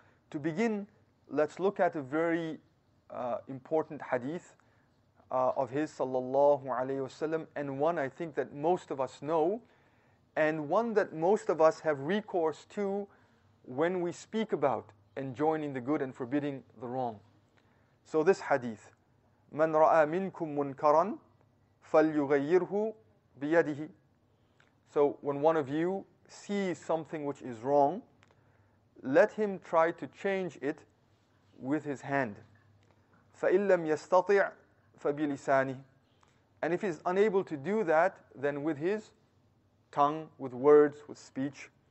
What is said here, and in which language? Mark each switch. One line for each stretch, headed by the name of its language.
English: To begin, let's look at a very important hadith of his sallallahu alayhi wasallam, and one I think that most of us know, and one that most of us have recourse to when we speak about enjoining the good and forbidding the wrong. So this hadith,
Arabic: مَنْ رَأَى مِنْكُمْ مُنْكَرًا فَلْيُغَيِّرْهُ بِيَدِهِ.
English: So when one of you sees something which is wrong, let him try to change it with his hand.
Arabic: فَإِنْ لَمْ يَسْتَطِعْ فَبِلِسَانِهِ.
English: And if he's unable to do that, then with his tongue, with words, with speech.